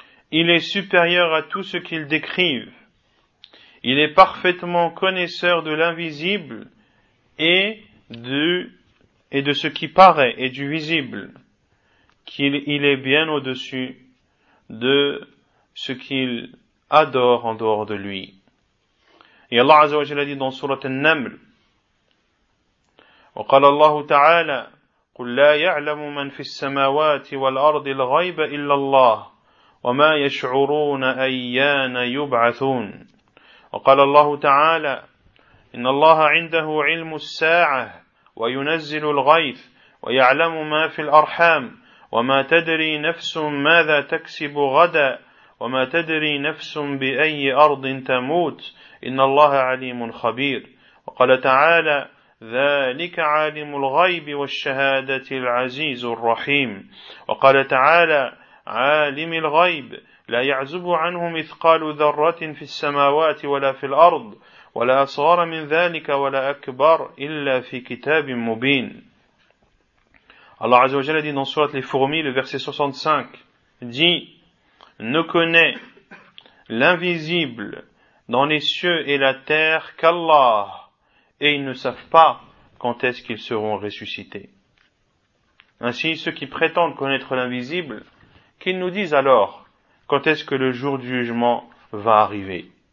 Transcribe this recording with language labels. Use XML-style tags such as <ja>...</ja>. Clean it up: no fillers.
<fr>Il est supérieur à tout ce qu'il décrivent. Il est parfaitement connaisseur de l'invisible et de ce qui paraît et du visible. Qu'il est bien au-dessus de ce qu'il adore en dehors de lui. Et Allah Azza wa Jal a dit dans Surat An-Naml,</fr> <ar>wa qala Allahu ta'ala, قل لا يعلم من في السماوات والأرض الغيب إلا الله وما يشعرون أيان يبعثون وقال الله تعالى إن الله عنده علم الساعة وينزل الغيث ويعلم ما في الأرحام وما تدري نفس ماذا تكسب غدا وما تدري نفس بأي أرض تموت إن الله عليم خبير وقال تعالى ذلك عالم الغيب والشهادة العزيز الرحيم وقال تعالى عالم الغيب لا يعزب عنه مثقال ذرة في السماوات ولا في الأرض ولا أصغر من ذلك ولا أكبر إلا في كتاب مبين. الله عز وجل</ar> <fr>dit dans Sourate les Fourmis, le verset 65, dit, ne connaît l'invisible dans les cieux et la terre qu'Allah, et ils ne savent pas quand est-ce qu'ils seront ressuscités. Ainsi, ceux qui prétendent connaître l'invisible, qu'ils nous disent alors quand est-ce que le jour du jugement va arriver.</fr>